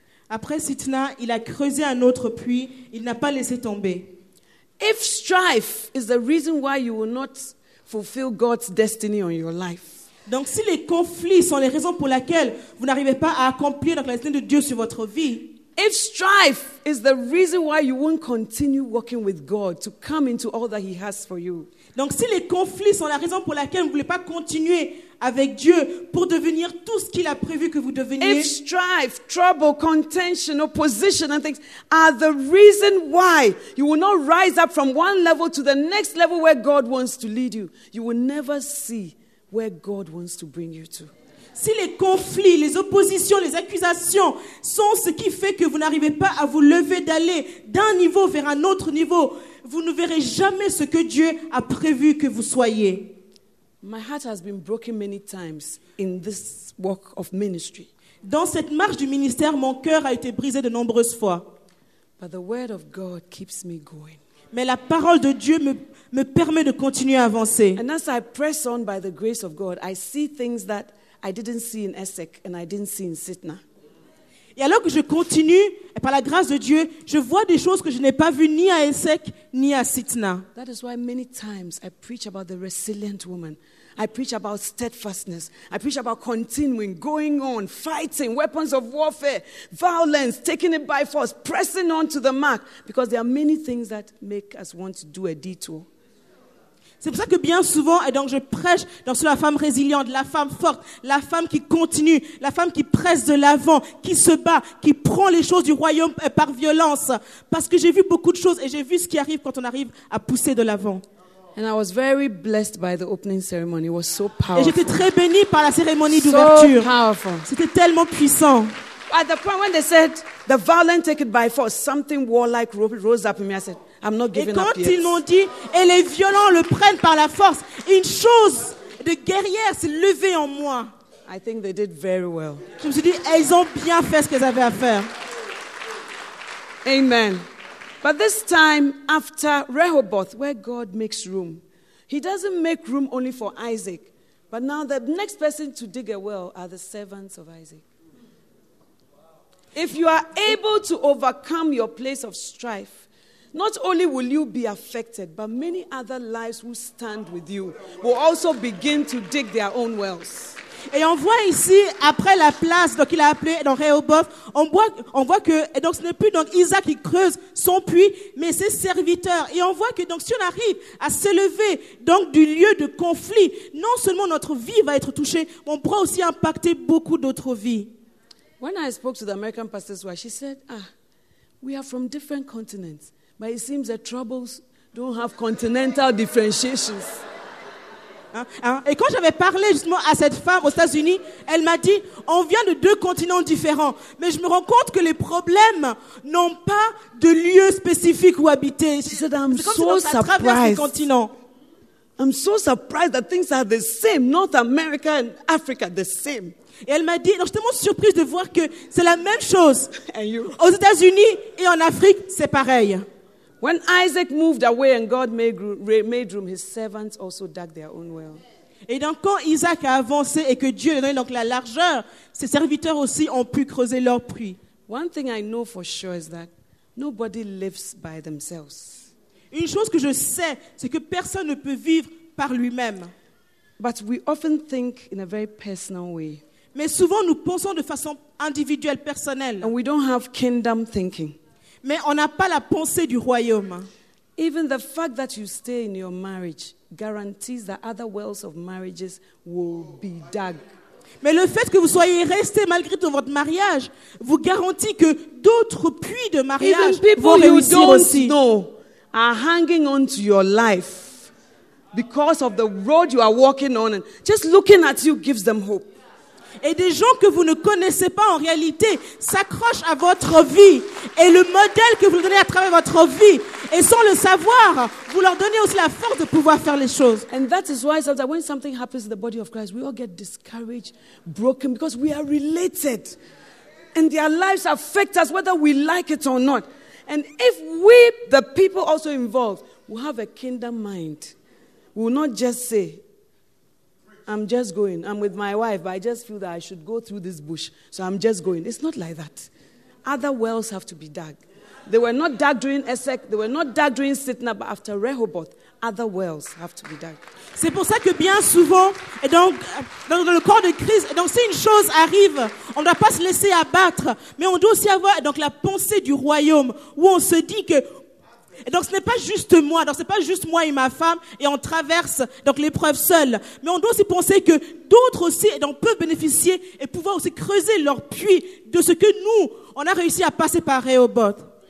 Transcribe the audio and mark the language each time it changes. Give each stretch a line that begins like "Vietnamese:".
French: Après Sitna, il a creusé un autre puits, il n'a pas laissé tomber.
English: If strife is the reason why you will not fulfill God's destiny on your life.
French: Donc si les conflits sont les raisons pour lesquelles vous n'arrivez pas à accomplir donc, la destinée de Dieu sur votre vie.
English: If strife is the reason why you won't continue working with God to come into all that he has for you.
French: Donc si les conflits sont la raison pour laquelle vous ne voulez pas continuer avec Dieu pour devenir tout ce qu'il a prévu que vous deveniez.
English: If strife, trouble, contention, opposition and things are the reason why you will not rise up from one level to the next level where God wants to lead you, you will never see where God wants to bring you to.
French: Si les conflits, les oppositions, les accusations sont ce qui fait que vous n'arrivez pas à vous lever d'aller d'un niveau vers un autre niveau, vous ne verrez jamais ce que Dieu a prévu que vous soyez.
English: My heart has been broken many times in this work of ministry.
French: Dans cette marche du ministère, mon cœur a été brisé de nombreuses fois.
English: But the word of God keeps me going.
French: Mais la parole de Dieu me permet de continuer à avancer.
English: And as I press on by the grace of God, I see things that I didn't see in Essek and I didn't see in Sitna.
French: Et alors que je continue, et par la grâce de Dieu, je vois des choses que je n'ai pas vues ni à Essek ni à Sitna.
English: That is why many times I preach about the resilient woman. I preach about steadfastness. I preach about continuing, going on, fighting, weapons of warfare, violence, taking it by force, pressing on to the mark. Because there are many things that make us want to do a detour.
French: C'est pour ça que bien souvent, et donc je prêche donc sur la femme résiliente, la femme forte, la femme qui continue, la femme qui presse de l'avant, qui se bat, qui prend les choses du royaume par violence. Parce que j'ai vu beaucoup de choses et j'ai vu ce qui arrive quand on arrive à pousser de l'avant.
English: And I was very blessed by the opening ceremony. It was so powerful.
French: Et j'étais très bénie par la cérémonie
English: so
French: d'ouverture.
English: Powerful.
French: C'était tellement puissant.
English: At the point when they said, the violent take it by force, something warlike rose up in me, I said, I'm not giving
French: et quand
English: up yet.
French: Ils m'ont dit, et les violents le prennent par la force, une chose de guerrière s'est levée en moi.
English: I think they did very well.
French: Je me suis dit, elles ont bien fait ce qu'elles avaient à faire.
English: Amen. But this time, after Rehoboth, where God makes room, he doesn't make room only for Isaac, but now the next person to dig a well are the servants of Isaac. If you are able to overcome your place of strife, not only will you be affected, but many other lives who stand with you will also begin to dig their own wells.
French: Et on voit ici, après la place, donc il a appelé dans Rehoboth, on voit que, et donc ce n'est plus donc Isaac qui creuse son puits, mais ses serviteurs. Et on voit que donc si on arrive à s'élever donc du lieu de conflit, non seulement notre vie va être touchée, mais on pourra aussi impacter beaucoup d'autres vies.
English: When I spoke to the American pastor's wife, she said, ah, we are from different continents, but it seems that troubles don't have continental differentiations.
French: Et quand j'avais parlé justement à cette femme aux États-Unis, elle m'a dit, on vient de deux continents différents, mais je me rends compte que les problèmes n'ont pas de lieu spécifique où habiter.
English: She said, I'm so surprised. I'm so surprised that things are the same, North America and Africa the same.
French: Et elle m'a dit, donc j'étais tellement surprise de voir que c'est la même chose aux États-Unis et en Afrique, c'est pareil.
English: When Isaac moved away and God made room, his servants also dug their own well.
French: Et donc quand Isaac a avancé et que Dieu lui a donné donc la largeur, ses serviteurs aussi ont pu creuser leur puits.
English: One thing I know for sure is that nobody lives by themselves.
French: Une chose que je sais, c'est que personne ne peut vivre par lui-même.
English: But we often think in a very personal way.
French: Mais souvent nous pensons de façon individuelle, personnelle.
English: And we don't have kingdom thinking.
French: Mais on n'a pas la pensée du royaume.
English: Even the fact that you stay in your marriage guarantees that other wells of marriages will be dug.
French: Mais le fait que vous soyez resté malgré tout votre mariage vous garantit que d'autres puits de mariage
English: Even
French: vont
English: people
French: réussir
English: you don't Know are hanging on to your life because of the road you are walking on and just looking at you gives them hope.
French: Et des gens que vous ne connaissez pas en réalité s'accrochent à votre vie et le modèle que vous donnez à travers votre vie et sans le savoir, vous leur donnez aussi la force de pouvoir faire les choses.
English: And that is why sometimes when something happens in the body of Christ, we all get discouraged, broken because we are related. And their lives affect us whether we like it or not. And if we, the people also involved, we have a kingdom mind, we will not just say, I'm just going. I'm with my wife, but I just feel that I should go through this bush. So I'm just going. It's not like that. Other wells have to be dug. They were not dug during Essek. They were not dug during Sitna, but after Rehoboth, other wells have to be dug.
French: C'est pour ça que bien souvent, et donc dans le corps de Christ, et donc si une chose arrive, on ne doit pas se laisser abattre, mais on doit aussi avoir donc la pensée du royaume où on se dit que. Et donc ce n'est pas juste moi, donc c'est pas juste moi et ma femme et on traverse donc l'épreuve seule, mais on doit aussi penser que d'autres aussi donc peuvent bénéficier et pouvoir aussi creuser leur puits de ce que nous on a réussi à passer par Rehoboth.